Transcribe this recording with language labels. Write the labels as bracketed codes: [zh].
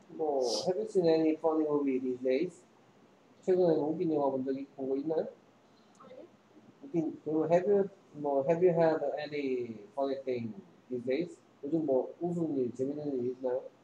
[en] 뭐, have you seen any funny movie these days? [ko] 최근에 웃긴 영화 본 적이 본 거 있나요? 아니요. 웃긴, 그리고 [en] have you had any funny thing these days? [ko] 요즘 뭐, 웃은 일, 재밌는 일 있나요?